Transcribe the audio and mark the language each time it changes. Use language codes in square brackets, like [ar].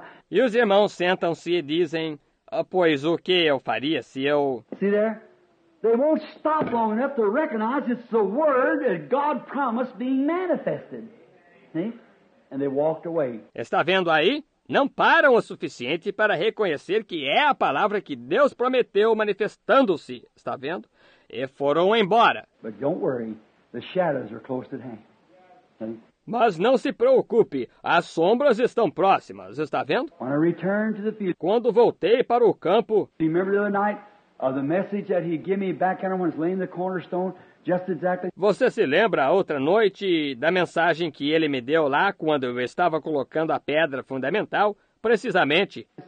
[pt] E os irmãos sentam-se e dizem, ah, pois o que eu faria se eu... [en] See there? They won't stop long enough to recognize it's the word that God promised being manifested. See? And they walked away. [pt] Está vendo aí? não param o suficiente para reconhecer que é a palavra que Deus prometeu manifestando-se, está vendo? E foram embora. [en] But don't worry, the shadows are close at hand. [pt] Mas não se preocupe, as sombras estão próximas, está vendo? [en] When I returned to the field, [pt] quando voltei para o campo, [en] remember the other night of the message that he gave me back when I was laying the cornerstone? Just exactly. [pt] Você se lembra, outra noite, da mensagem que ele me deu lá quando eu estava colocando a pedra fundamental, precisamente?